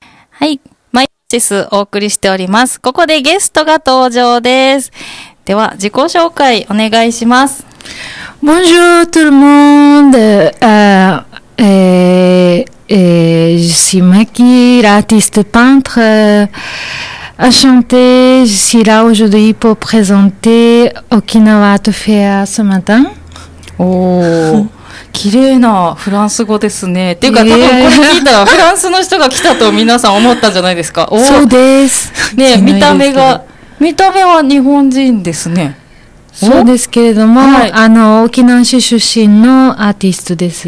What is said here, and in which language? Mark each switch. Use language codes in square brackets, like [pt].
[ja] はい、マイシスお送りしております。ここでゲストが登場です。では自己紹介お願いします。 [fr] Bonjour tout le monde. Je suis Maki, artiste peintre, enchantée. Je suis là aujourd'hui pour présenter Okinawa Art Fair ce matin. [ja] Oh, 綺麗なフランス語ですね。っていうか、多分これ聞いたらフランスの人が来たと皆さん思ったんじゃないですか。そうです。ね、見た目が、見た目は日本人ですね。そうですけれども、はい、あの沖縄市出身のアーティストです。